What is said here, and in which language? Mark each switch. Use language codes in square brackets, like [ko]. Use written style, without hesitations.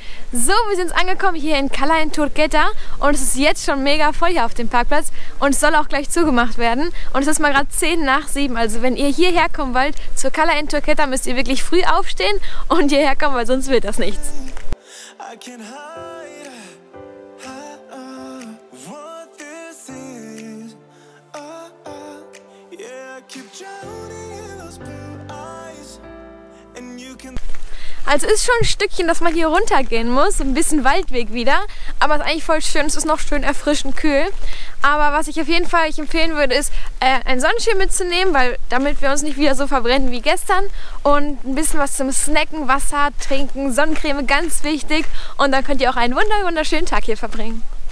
[de] So, wir sind angekommen hier in Cala in Turqueta und es ist jetzt schon mega voll hier auf dem Parkplatz und es soll auch gleich zugemacht werden und es ist mal gerade 10 nach 7, also wenn ihr hierher kommen wollt zur Cala in Turqueta, müsst ihr wirklich früh aufstehen und hierher kommen, weil sonst wird das nichts. [en] I can't hide, what this is, yeah, I keep drowning in those blue eyes, and you can... [de] Also ist schon ein Stückchen, dass man hier runtergehen muss, ein bisschen Waldweg wieder, aber es ist eigentlich voll schön, es ist noch schön erfrischend kühl. Aber was ich auf jeden Fall empfehlen würde, ist ein Sonnenschirm mitzunehmen, weil damit wir uns nicht wieder so verbrennen wie gestern und ein bisschen was zum Snacken, Wasser trinken, Sonnencreme, ganz wichtig und dann könnt ihr auch einen wunderschönen Tag hier verbringen.